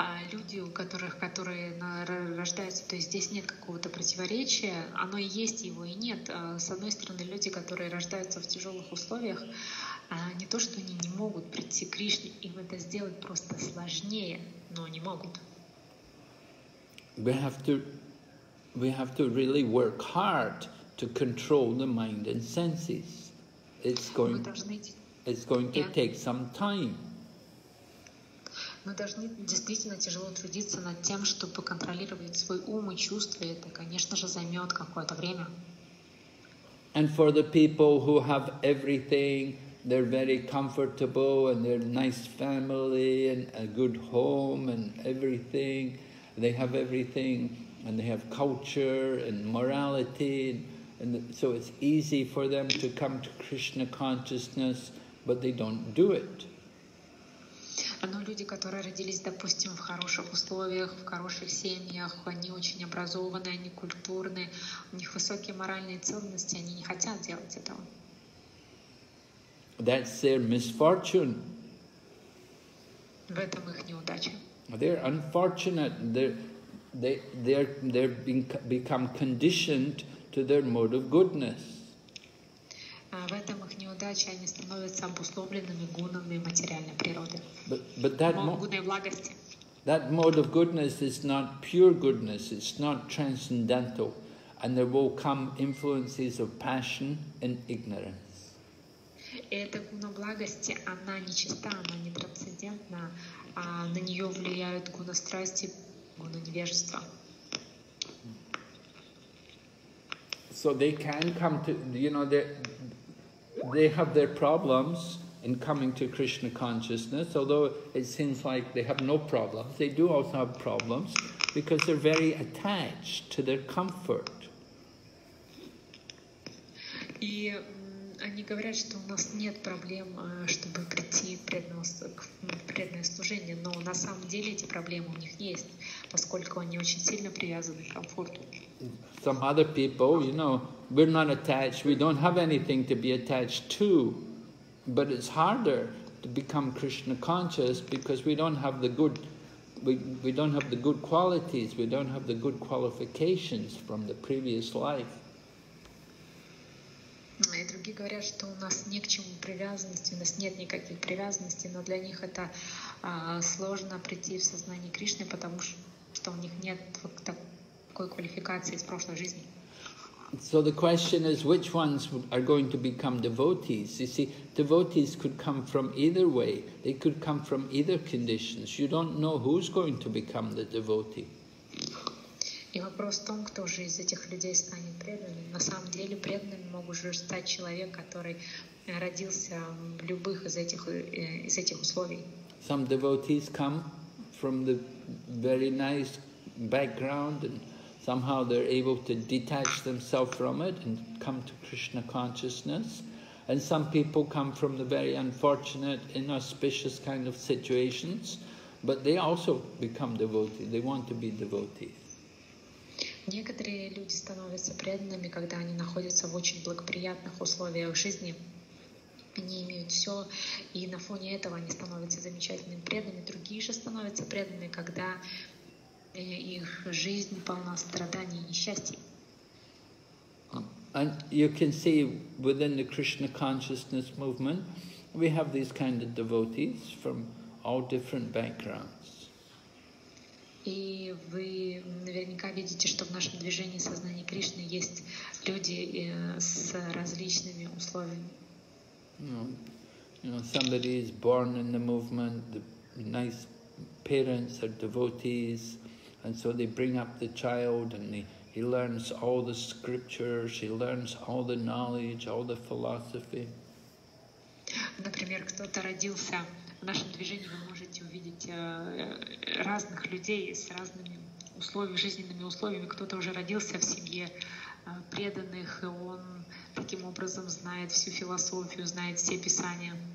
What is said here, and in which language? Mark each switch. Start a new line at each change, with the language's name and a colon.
Russian: Люди, у которых, которые рождаются, то есть здесь нет какого-то противоречия, оно и есть, его и нет. С одной стороны, люди, которые рождаются в тяжелых условиях, не то, что они не могут прийти к Кришне, им это сделать просто сложнее, но не могут.
English: We have to really work hard to control the mind and senses. It's going to take some time.
Russian: Мы должны действительно тяжело трудиться над тем, чтобы контролировать свой ум и чувства. Это, конечно же, займет какое-то время.
English: And for the people who have everything, they're very comfortable and they're a nice family and a good home and everything. They have everything. And they have culture and morality, and so it's easy for them to come to Krishna consciousness, but they don't do it.
Russian: Но люди, которые родились, допустим, в хороших условиях, в хороших семьях, они очень образованные, они культурные, у них высокие моральные ценности, они не хотят делать этого.
English: That's their misfortune.
Russian: В этом их неудача.
English: They're unfortunate. They've become conditioned to their mode of goodness.
Russian: В этом их неудача, они становятся обусловленными гунами материальной природы.
English: But that
Russian: гуны благости.
English: That mode of goodness is not pure goodness, it's not transcendental, and there will come influences of passion and ignorance.
Russian: Эта гуна благости, она нечиста, она не трансцендентна, а на нее влияют гуна страсти, гуна невежества.
English: So they can come to, you know, they have their problems in coming to Krishna consciousness, although it seems like they have no problems, they do also have problems because they're very attached to their comfort.
Russian: И они говорят, что у нас нет проблем, чтобы прийти к преданное служение, но на самом деле эти проблемы у них есть, поскольку они очень сильно привязаны к комфорту.
English: Some other people, you know, we're not attached, we don't have anything to be attached to. But it's harder to become Krishna conscious because we don't have the good qualities, we don't have the good qualifications from the previous life.
Russian: И другие говорят, что у нас не к чему привязанности, у нас нет никаких привязанностей, но для них это сложно прийти в сознание Кришны, потому что у них нет вот такой квалификации из прошлой жизни.
English: So the question is, which ones are going to become devotees? You see, devotees could come from either way. They could come from either conditions. You don't know who's going to become the devotee.
Russian: И вопрос в том, кто же из этих людей станет преданным. На самом деле, преданным могут же стать человек, который родился в любых из этих условий.
English: Some devotees come from the very nice background and somehow they're able to detach themselves from it and come to Krishna consciousness. And some people come from the very unfortunate, inauspicious kind of situations, but they also become devotees. They want to be devotees.
Russian: Некоторые люди становятся преданными, когда они находятся в очень благоприятных условиях жизни. Они имеют все, и на фоне этого они становятся замечательными преданными. Другие же становятся преданными, когда их жизнь полна страданий и несчастий.
English: And you can see within the Krishna consciousness movement, we have these kind of devotees from all different backgrounds.
Russian: И вы наверняка видите, что в нашем движении сознания Кришны есть люди с различными условиями.
English: You know, somebody is born in the movement, the nice parents are devotees. And so they bring up the child and he learns all the scriptures, he learns all the knowledge, all the philosophy.
Russian: Например, кто-то родился в нашем движении, вы можете увидеть разных людей с разными условиями, жизненными условиями. Кто-то уже родился в семье преданных, и он таким образом знает всю философию, знает все писания.